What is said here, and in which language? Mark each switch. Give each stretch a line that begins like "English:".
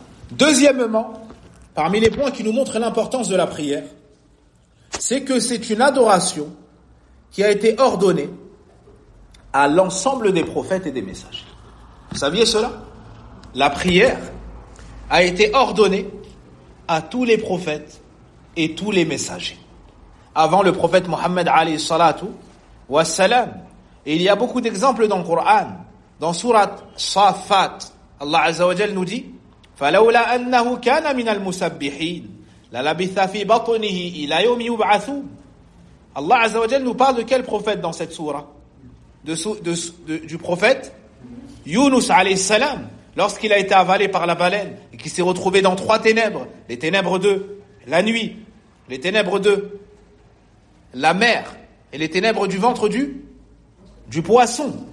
French: Deuxièmement, parmi les points qui nous montrent l'importance de la prière, c'est que c'est une adoration qui a été ordonnée à l'ensemble des prophètes et des messagers. Vous saviez cela? La prière a été ordonnée à tous les prophètes et tous les messagers. Avant le prophète Mohammed alayhi salatu wa salam. Et il y a beaucoup d'exemples dans le Coran. Dans surat Safat, Allah Azza wa Jal nous dit
Arabic: فَلَوْلَا أَنَّهُ كَانَ مِنَ الْمُسَبِّحِينَ لَلَبِثَ فِي بَطْنِهِ إِلَى يَوْمِ يُبْعَثُونَ.
French: Allah Azza wa Jal nous parle de quel prophète dans cette surah? Du prophète Yunus alayhi salam, lorsqu'il a été avalé par la baleine et qu'il s'est retrouvé dans trois ténèbres, les ténèbres de la nuit, les ténèbres de la mer et les ténèbres du ventre du poisson.